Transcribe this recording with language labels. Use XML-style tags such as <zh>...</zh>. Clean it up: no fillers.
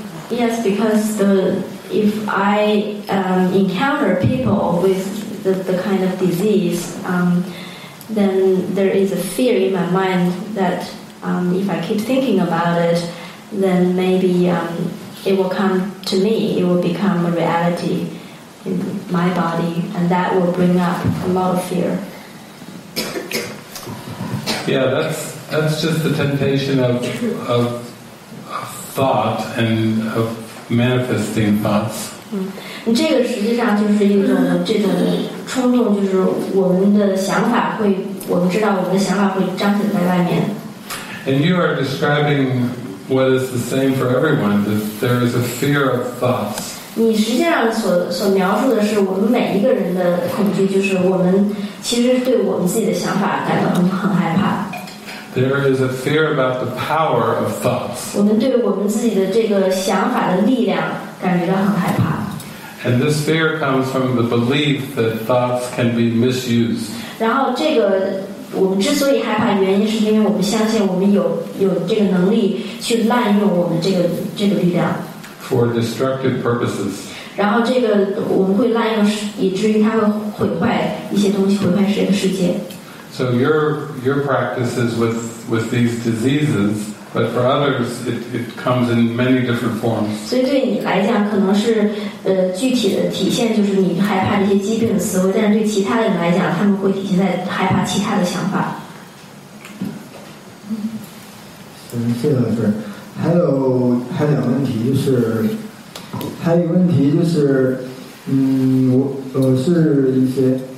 <en>Yes, because if I encounter people with the kind of disease, then there is a fear in my mind that if I keep thinking about it, then maybe it will come to me, it will become a reality in my body, and that will bring up a lot of fear. Yeah, that's just the temptation of thought and of manifesting thoughts.</en> <zh>这个实际上就是一种这种冲动，就是我们的想法会，我们知道我们的想法会彰显在外面。</zh> <en>And you are describing what is the same for everyone, that there is a fear of thoughts.</en> <zh>你实际上所描述的是我们每一个人的恐惧，就是我们其实对我们自己的想法感到很害怕。</zh> <en>There is a fear about the power of thoughts.</en> <zh>我们对我们自己的这个想法的力量感觉到很害怕。</zh> <en>And this fear comes from the belief that thoughts can be misused.</en> <zh>然后这个我们之所以害怕，原因是因为我们相信我们有这个能力去滥用我们这个力量。</zh> <en>For destructive purposes.</en> <zh>然后这个我们会滥用，以至于它会毁坏一些东西，毁坏这个世界。</zh> <en>So your practice is with these diseases, but for others it comes in many different forms.</en> <zh>所以对你来讲，可能是具体的体现就是你害怕这些疾病的思维，但是对其他的人来讲，他们会体现在害怕其他的想法。嗯，谢老师，还有两个问题，就是还有一个问题就是，我是一些。</zh>